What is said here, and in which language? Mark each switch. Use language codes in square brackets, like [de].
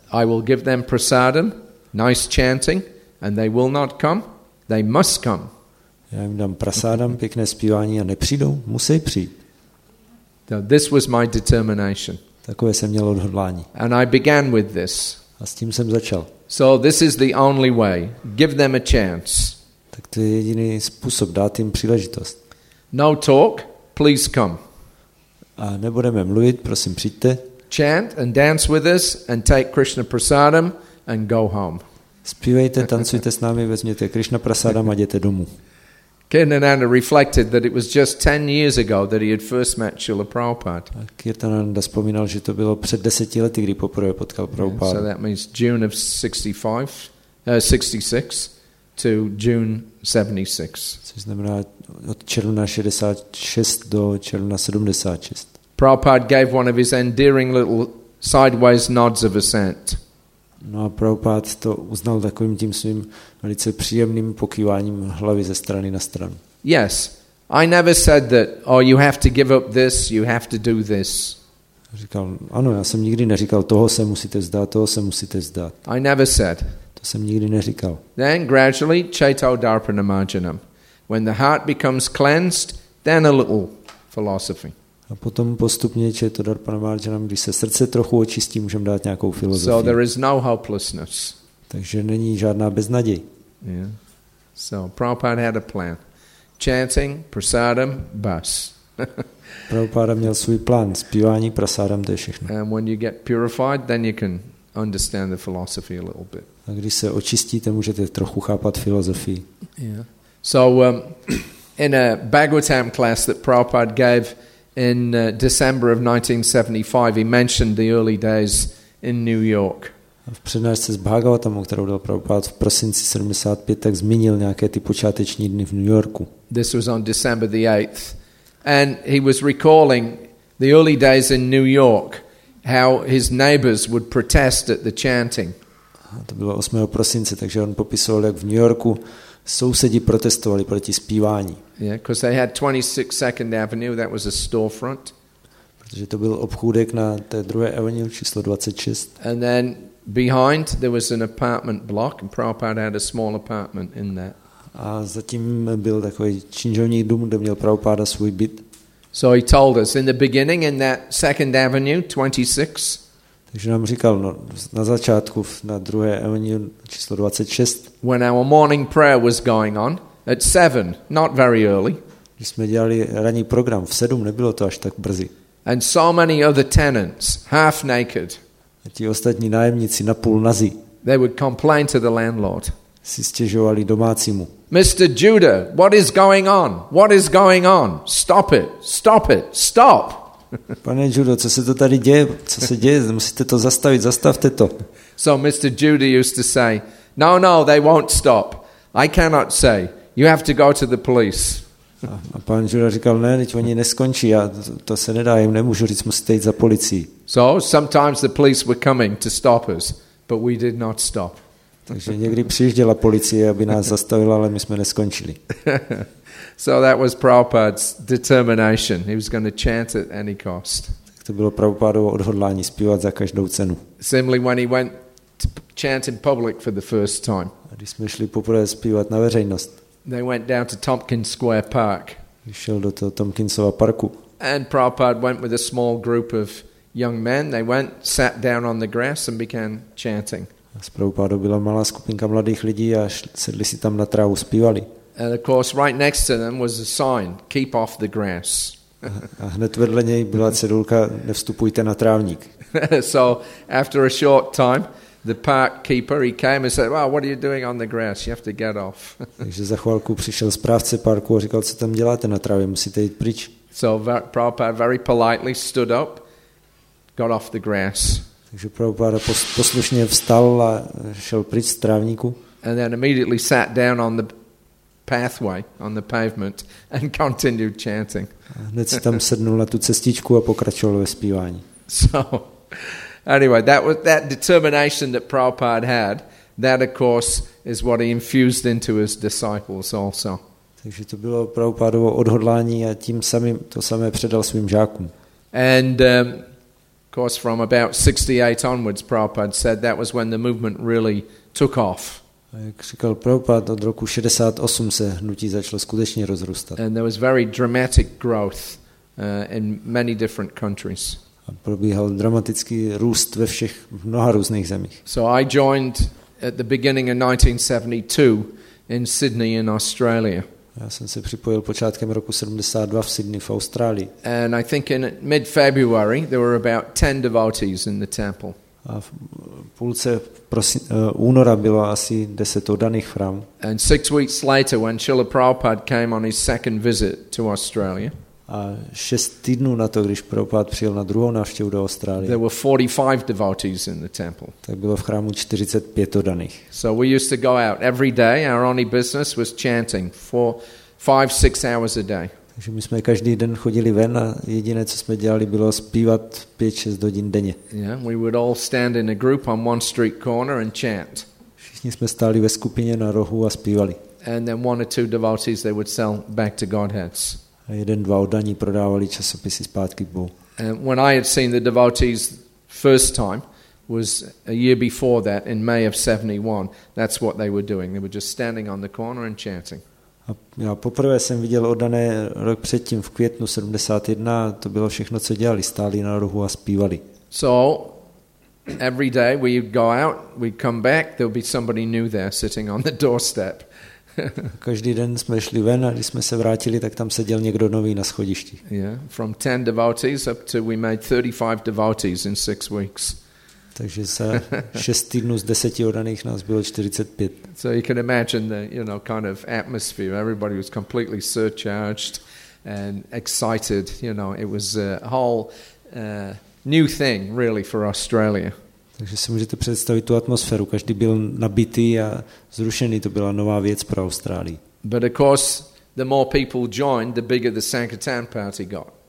[en] I will give them prasadam, nice chanting, and they will not come, they must come. [cs] Já jim dám prasadam, pěkné zpívání a nepřijdou, musí přijít. [en] Now, this was my determination. [cs] Takové jsem měl odhodlání. [en] And I began with this. [cs] A s tím jsem začal. [en] So this is the only way. Give them a chance. [cs] Tak to je jediný způsob, dát jim příležitost. [en] No talk, please come. [cs] A nebudeme mluvit, prosím přijďte. [en] Chant and dance with us and take Krishna prasadam and go home. [cs] Zpívejte, tancujte s námi, vezměte Krishna prasadam a jděte domů. [en] Kirtananda reflected that it was just 10 years ago that he had first met Srila Prabhupada. [cs] Kirtananda vzpomínal, že to bylo před 10 lety, kdy poprvé potkal Prabhupada. [en] So that means June of 66 to June 76. [cs] Což znamená od června 66 do června 76. [en] Prabhupada gave one of his endearing little sideways nods of assent. [cs] No a Prabhupada to uznal takovým tím svým velice příjemným pokýváním hlavy ze strany na stranu. [en] Yes, I never said that, oh, you have to give up this, you have to do this. [cs] Říkal, ano, já jsem nikdy neříkal, toho se musíte vzdát, toho se musíte vzdát. [en] I never said. [cs] To jsem nikdy neříkal. [en] Then gradually, chaito darpana marjanam. When the heart becomes cleansed, then a little philosophy. [cs] A potom postupně, že to darpana marjanam, když se srdce trochu očistí, můžeme dát nějakou filozofii. [en] So there is no hopelessness. [cs] Takže není žádná beznaděj. [en] Yeah. So Prabhupada had a plan. Chanting, prasadam, bus. [cs] Prabhupada měl svůj plán. Zpívání, prasadam, to je všechno. [en] And when you get purified, then you can understand the philosophy a little bit. [cs] A když se očistíte, můžete trochu chápat filozofii. [en] Yeah. So in a Bhagavatam class that Prabhupada gave in December of 1975, he mentioned the early days in New York. [cs] V přednášce z Bhagavatamu, kterou dal Prabhupada v prosinci 75, tak zmínil nějaké ty počáteční dny v New Yorku. [en] This was on December the 8th. And he was recalling the early days in New York, how his neighbors would protest at the chanting. [cs] A to bylo 8. prosince, takže on popisoval, jak v New Yorku sousedi protestovali proti zpívání. [en] Yeah, because they had 26 Second Avenue, that was a storefront. [cs] Protože to byl obchůdek na té druhé avenue číslo 26. [en] And then behind there was an apartment block and Prabhupada had a small apartment in that. [cs] A zatím byl takový činžovní dům, kde měl Prabhupada svůj byt. [en] So he told us in the beginning in that Second Avenue 26. [cs] Takže nám říkal, no, na začátku na druhé avenue číslo 26. [en] When our morning prayer was going on at 7, not very early. [cs] Když jsme dělali ranní program v 7, nebylo to až tak brzy. [en] And so many other tenants, half naked. [cs] A ti ostatní nájemníci napůl nazi. [en] They would complain to the landlord. [cs] Si stěžovali domácímu. [en] Mr. Judah, what is going on? What is going on? Stop it! Stop it! Stop! [cs] Pane Judo, co se to tady děje? Co se děje? Musíte to zastavit. Zastavte to. [en] So Mr. Judah used to say, "No, no, they won't stop. I cannot say. You have to go to the police." [cs] A pan Judah říkal, ne, teď oni neskončí, já to se nedá, jim nemůžu říct, musíte jít za policií. [en] So sometimes the police were coming to stop us, but we did not stop. [cs] Takže někdy přijížděla policie, aby nás zastavila, ale my jsme neskončili. [en] So that was Prabhupada's determination. He was going to chant at any cost. [cs] Tak to bylo Prabhupádovo odhodlání zpívat za každou cenu. [en] Similarly, when he went to chant in public for the first time. [cs] A když jsme šli poprvé zpívat na veřejnost. [en] They went down to Tompkins Square Park. [cs] Když šel do toho Tompkinsova parku. [en] And Prabhupada went with a small group of young men. They went, sat down on the grass and began chanting. [cs] S Prabhupádou byla malá skupinka mladých lidí a sedli si tam na trávu, zpívali. [en] And of course, right next to them was a sign: "Keep off the grass." [cs] A hned vedle něj byla cedulka: "Nevstupujte na trávník." [en] So after a short time, the park keeper, he came and said, "Well, what are you doing on the grass? You have to get off." [cs] Takže za chvilku přišel správce parku a říkal: "Co tam děláte na trávě? Musíte jít pryč." [en] So Prabhupada very politely stood up, got off the grass. [cs] Takže Prabhupada poslušně vstal a šel pryč z trávníku. [en] And then immediately sat down on the pathway, on the pavement, and continued chanting. [cs] Hned si tam sednul na tu cestičku a pokračoval ve zpívání. [en] So, anyway, that was that determination that Prabhupada had, that of course is what he infused into his disciples also. [cs] Takže to bylo Prabhupádovo odhodlání a tím samým to samé předal svým žákům. [en] And of course from about 68 onwards, Prabhupada said that was when the movement really took off. [cs] A jak říkal Prabhupada, od roku 68 se hnutí začalo skutečně rozrůstat. [en] And there was very dramatic growth in many different countries. [cs] A probíhal dramatický růst ve všech mnoha různých zemích. [en] So I joined at the beginning of 1972 in Sydney in Australia. [cs] Já jsem se připojil počátkem roku 72 v Sydney v Austrálii. [en] And I think in mid February there were about 10 devotees in the temple. [cs] A v půlce února bylo asi 10 oddaných chrámů. [en] And 6 weeks later, when Srila Prabhupada came on his second visit to Australia, [cs] a 6 týdnů na to, když Prabhupada přijel na druhou návštěvu do Austrálie, [en] there were 45 devotees in the temple. [cs] Tak bylo v chrámu 45 oddaných. [en] So we used to go out every day. Our only business was chanting for 5-6 hours a day. [cs] Takže my jsme každý den chodili ven a jediné, co jsme dělali, bylo zpívat 5-6 hodin denně. [en] Yeah, we would all stand in a group on one street corner and chant. [cs] Všichni jsme stáli ve skupině na rohu a zpívali. [en] And then one or two devotees they would sell back to Godheads. [cs] A jeden, dva oddaní prodávali časopisy zpátky k Bohu. [en] And when I had seen the devotees first time was a year before that in May of 71. That's what they were doing. They were just standing on the corner and chanting. [cs] A já poprvé jsem viděl oddané rok předtím v květnu 71, to bylo všechno, co dělali, stáli na rohu a zpívali. [en] So every day we go out, we come back, there'll be somebody new there sitting on the doorstep. [cs] Každý den jsme šli ven a když jsme se vrátili, tak tam seděl někdo nový na schodišti. [en] Yeah, from 10 devotees up to we made 35 devotees in 6 weeks. [cs] Takže za 6 týdnů z 10 oddaných nás bylo 45. [en] So you can imagine the, you know, kind of atmosphere. Everybody was completely surcharged and excited. You know, it was a whole new thing really for Australia. [cs] Takže si můžete představit tu atmosféru. Každý byl nabitý a zrušený. To byla nová věc pro Austrálii. [en] But of course, the more people joined, the bigger the Sankirtan party got.